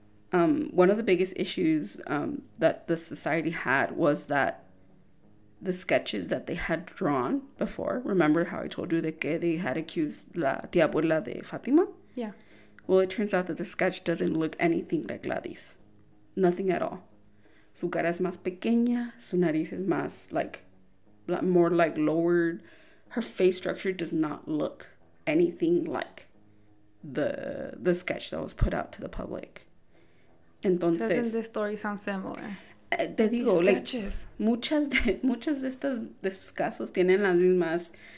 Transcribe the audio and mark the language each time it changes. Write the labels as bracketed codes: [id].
[en] One of the biggest issues that the society had was that the sketches that they had drawn before, remember how I told you that they had accused [es] la tía abuela de Fátima? [en] Yeah. Well, it turns out that the sketch doesn't look anything like Gladys. Nothing at all. [es] Su cara es más pequeña, su nariz es más, [en] like, more like lowered. Her face structure does not look anything like the sketch that was put out to the public. [es] Entonces, [en] doesn't this story sound similar? [es] Te digo, sketches. Like, muchas de estas, de sus casos tienen las mismas...